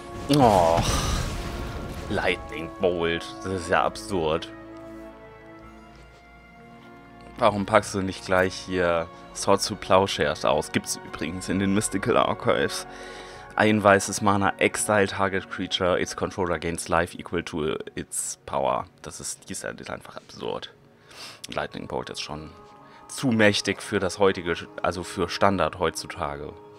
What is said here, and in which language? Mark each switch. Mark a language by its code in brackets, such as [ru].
[de] Och. Lightning Bolt. Das ist ja absurd. Warum packst du nicht gleich hier Sword to Plowshares aus? Gibt's übrigens in den Mystical Archives. Ein weißes Mana, [en] Exile Target Creature, its controller gains life equal to its power. [de] Das ist einfach absurd. Lightning Bolt ist schon zu mächtig für das heutige, also für Standard heutzutage.